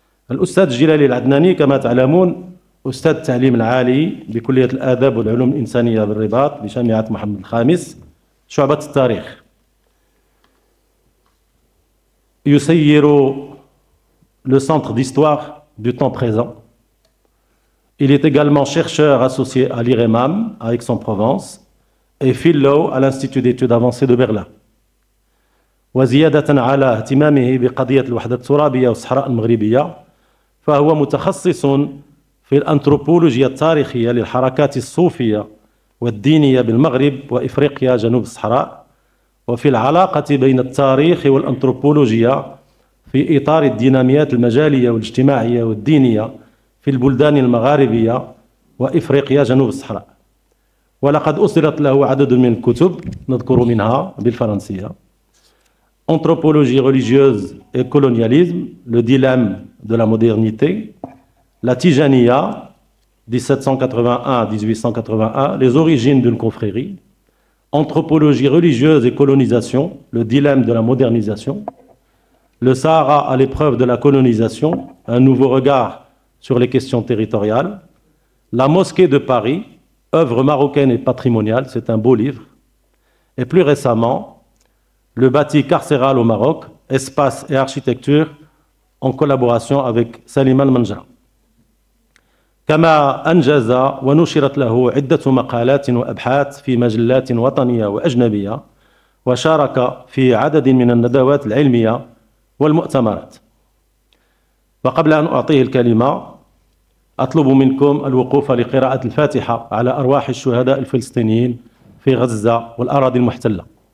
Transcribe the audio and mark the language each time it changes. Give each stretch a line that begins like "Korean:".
Arabic: الأستاذ جلالي العدناني كما تعلمون أستاذ التعليم العالي بكلية الآداب والعلوم الإنسانية بالرباط بجامعة محمد الخامس شعبة التاريخ، يسير
French: لو سنتر ديستواغ دو تان بريزون. Il est également chercheur associé à l'IREMAM à Aix-en-Provence et fellow à l'Institut d'études avancées de Berlin.
Arabic: وزيادة على اهتمامه بقضية الوحدة الترابية والصحراء المغربية، فهو متخصص في الأنثروبولوجيا التاريخية للحركات الصوفية والدينية بالمغرب وإفريقيا جنوب الصحراء، وفي العلاقة بين التاريخ والأنثروبولوجيا في إطار الديناميات المجالية والاجتماعية والدينية في البلدان المغاربية وإفريقيا جنوب الصحراء. ولقد أصدرت له عدد من الكتب، نذكر منها بالفرنسية
French: أنثروبولوجيا ريليجيوز و كولونياليزم لو ديلام دو لا مودرنيتي، لا تيجانية 1781-1881 les origines d'une confrérie، Anthropologie religieuse et colonisation, le dilemme de la modernisation, le Sahara à l'épreuve de la colonisation, un nouveau regard sur les questions territoriales, la mosquée de Paris, œuvre marocaine et patrimoniale, c'est un beau livre, et plus récemment, le bâti carcéral au Maroc, espace et architecture, en collaboration avec Salim Al-Manjra.
Arabic: كما أنجز ونشرت له عدة مقالات وأبحاث في مجلات وطنية وأجنبية، وشارك في عدد من الندوات العلمية والمؤتمرات. وقبل أن أعطيه الكلمة، أطلب منكم الوقوف لقراءة الفاتحة على أرواح الشهداء الفلسطينيين في غزة والأراضي المحتلة.